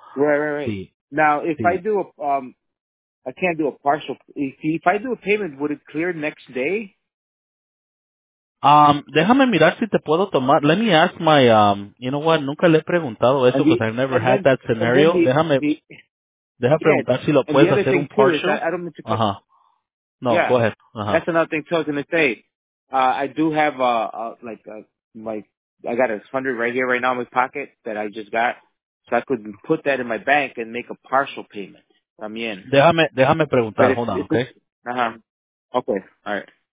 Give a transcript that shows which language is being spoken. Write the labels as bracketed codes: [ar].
[en] Right. I do a, I can't do a partial, if I do a payment, would it clear next day? [es] Déjame mirar si te puedo tomar. [en] Let me ask my, you know what, [es] nunca le he preguntado eso [en] because I've never had that scenario. [es] Déjame preguntar si lo puedes hacer un partial. [en] Go ahead. That's another thing too, I was going to say. I do have I got a $100 right here right now in my pocket that I just got. So I could put that in my bank and make a partial payment. [es] También. Déjame preguntar, [en] hold on, okay? Uh-huh. Okay, all right.